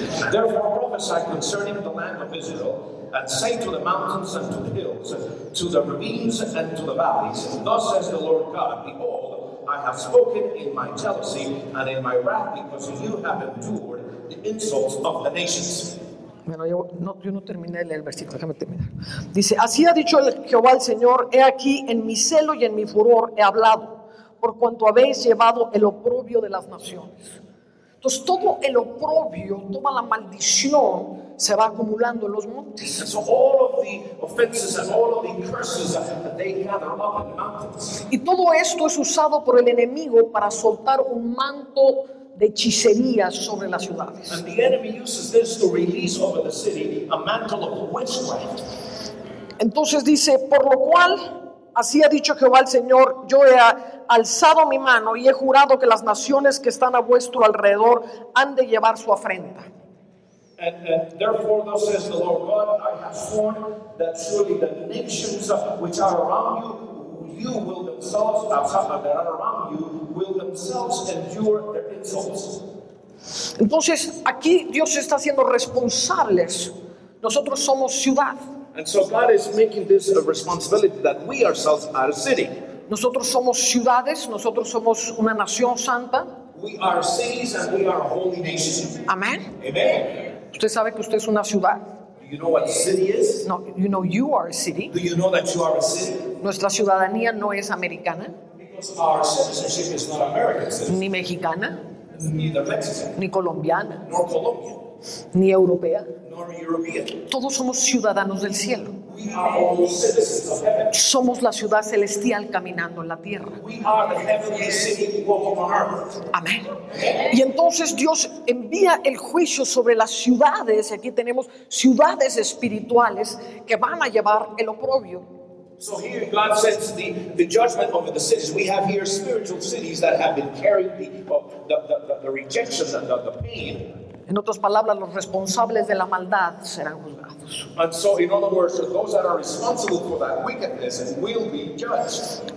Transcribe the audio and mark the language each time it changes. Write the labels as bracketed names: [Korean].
[English] Therefore prophesy concerning the land of Israel, and say to the mountains and to the hills, to the ravines and to the valleys, thus says the Lord God, behold, I have spoken in my jealousy and in my wrath, because you have endured the insults of the nations. [Spanish] Bueno, yo no terminé de leer el versículo, déjame terminar. Dice: así ha dicho el Jehová el Señor, he aquí en mi celo y en mi furor he hablado, por cuanto habéis llevado el oprobio de las naciones. Entonces todo el oprobio, toda la maldición se va acumulando en los montes. [English] And so all of the offenses and all of the curses that they gather up in the mountains. [Spanish] Y todo esto es usado por el enemigo para soltar un manto de hechicería sobre las ciudades. [English] And the enemy uses this to release over the city a mantle of witchcraft. [Spanish] Entonces dice: por lo cual así ha dicho Jehová el Señor, yo he alzado mi mano y he jurado que las naciones que están a vuestro alrededor han de llevar su afrenta. [English] And therefore thus says the Lord God, I have sworn that surely the nations which are around you will themselves, that are around you, will themselves endure their insults. [Spanish] Entonces aquí Dios está siendo responsables. Nosotros somos ciudad. [English] And so God is making this a responsibility that we ourselves are a city. [Spanish] Nosotros somos ciudades, nosotros somos una nación santa. [English] We are cities and we are a holy nation. [Spanish] Amen. [English] Amen. [Spanish] Usted sabe que usted es una ciudad. [English] Do you know what a city is? No, you know you are a city. Do you know that you are a city? [Spanish] Nuestra ciudadanía no es americana. [English] Because our citizenship is not American. [Spanish] Ni mexicana. [English] Neither Mexican. [Spanish] Ni colombiana. [English] Nor Colombian. [Spanish] Ni europea. [English] Nor European. [Spanish] Todos somos ciudadanos del cielo. [English] We are all citizens of heaven. [Spanish] Somos la ciudad celestial caminando en la tierra. [English] We are the heavenly city walking on earth. [Spanish] Amén. Y entonces Dios envía el juicio sobre las ciudades. Aquí tenemos ciudades espirituales que van a llevar el oprobio. [English] So here God sends the judgment over the cities. We have here spiritual cities that have been carrying the rejection and the pain. [Spanish] En otras palabras, los responsables de la maldad serán juzgados. [English] And so, in other words, those that are responsible for that wickedness will be judged.